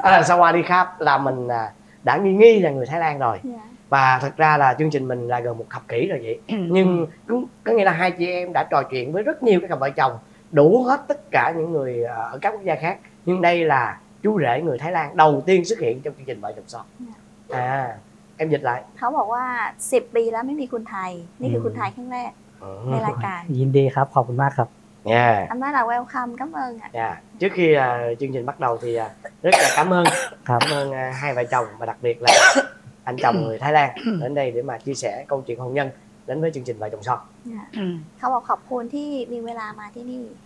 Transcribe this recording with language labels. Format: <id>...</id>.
<th>สวัสดีครับ</th> <vi>là mình đã nghi là người Thái Lan rồi. Yeah. Và thật ra là chương trình mình là gần một thập kỷ rồi vậy. Nhưng cũng có nghĩa là hai chị em đã trò chuyện với rất nhiều cái cặp vợ chồng đủ hết tất cả những người ở các quốc gia khác. Nhưng đây là chú rể người Thái Lan đầu tiên xuất hiện trong chương trình Vợ Chồng Son. Yeah. Em dịch lại.</vi> <th>เขาบอกว่า 10 ปีแล้วไม่มีคนไทยนี่คือคนไทยครั้งแรกในรายการ ยินดีครับขอบคุณมากครับ Yeah.</th> <vi>Anh nói là welcome, cảm ơn ạ. Yeah. Trước khi chương trình bắt đầu thì rất là cảm ơn. Cảm ơn hai vợ chồng và đặc biệt là anh chồng người Thái Lan đến đây để mà chia sẻ câu chuyện hôn nhân đến với chương trình Vợ Chồng Son. Dạ. Yeah. Ừ. Khóc học hồn thì vì về là mà thế đi.</vi>